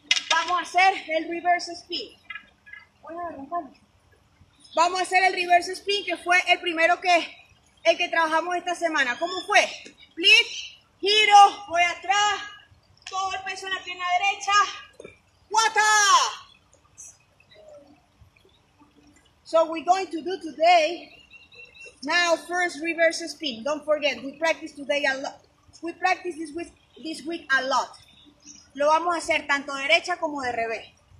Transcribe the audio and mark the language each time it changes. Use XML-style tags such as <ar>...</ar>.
<es>Vamos a hacer el reverse spin. Voy a arrancar. Vamos a hacer el reverse spin, que fue el primero que trabajamos esta semana. ¿Cómo fue? Flip, giro, voy atrás, todo el peso en la pierna derecha. ¡Wata!</es> <en>So we're going to do today, now first reverse spin. Don't forget, we practice today a lot. We practice this week a lot.</en> <es>Lo vamos a hacer tanto derecha como de revés.</es>